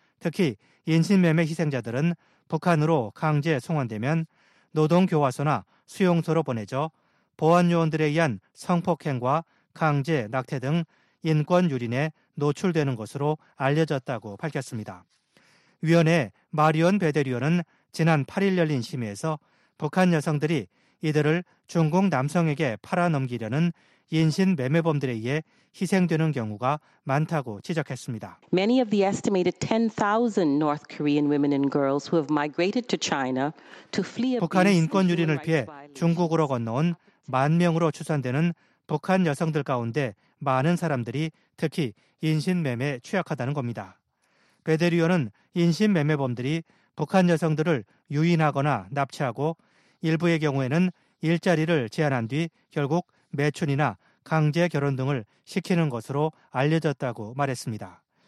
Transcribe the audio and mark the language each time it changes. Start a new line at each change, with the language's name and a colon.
Korean: 특히 인신매매 희생자들은 북한으로 강제 송환되면 노동교화소나 수용소로 보내져 보안요원들에 의한 성폭행과 강제 낙태 등 인권유린에 노출되는 것으로 알려졌다고 밝혔습니다. 위원회 마리온 베데리오는 지난 8일 열린 심의에서 북한 여성들이 이들을 중국 남성에게 팔아넘기려는 인신 매매범들에 의해 희생되는 경우가 많다고 지적했습니다.
English: Many of the estimated 10,000 North Korean women and girls who have migrated to China to flee
Korean: 북한의 인권 유린을 피해 중국으로 건너온 만 명으로 추산되는 북한 여성들 가운데 많은 사람들이 특히 인신 매매에 취약하다는 겁니다. 베데리오는 인신 매매범들이 북한 여성들을 유인하거나 납치하고 일부의 경우에는 일자리를 제한한 뒤 결국 매춘이나 강제 결혼 등을 시키는 것으로 알려졌다고 말했습니다.